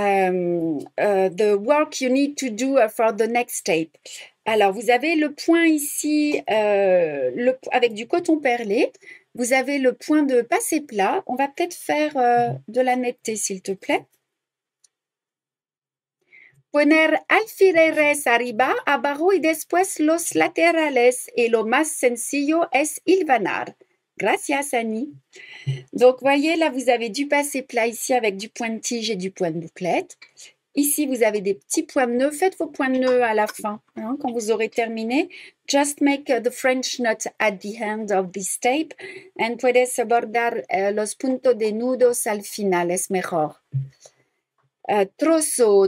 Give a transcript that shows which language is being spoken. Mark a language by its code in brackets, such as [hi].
[en] The work you need to do for the next step. [fr] Alors, vous avez le point ici avec du coton perlé. Vous avez le point de passé plat. On va peut-être faire de la netteté, s'il te plaît. [es] Poner alfileres arriba, abajo y después los laterales. Y lo más sencillo es hilvanar. Gracias, Annie. [fr] Donc, voyez, là, vous avez du passé plat ici avec du point de tige et du point de bouclette. Ici, vous avez des petits points de nœuds. Faites vos points de nœuds à la fin, hein, quand vous aurez terminé. [en] Just make the French knot at the end of this tape and [es] puedes bordar los puntos de nudos al final. Es mejor. Trozo.